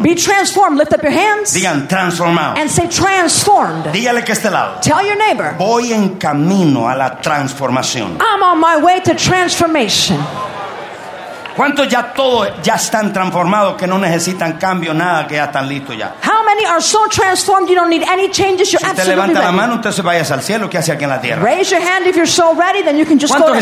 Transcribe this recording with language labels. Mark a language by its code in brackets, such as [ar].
[en] Be transformed. Lift up your hands. [es] Digan transformado. [en] And say transformed. [es] Dígale que este lado. [en] Tell your neighbor. [es] Voy en camino a la transformación. [en] I'm on my way to transformation. [es] ¿Cuántos ya todos ya están transformados que no necesitan cambio nada que ya están listos ya? [en] How many many are so transformed you don't need any changes. You're absolutely [es] ready. Si usted levanta la mano, usted se vaya al cielo. ¿Qué hace aquí en la tierra? [en] Raise your hand if you're so ready, then you can just go to heaven.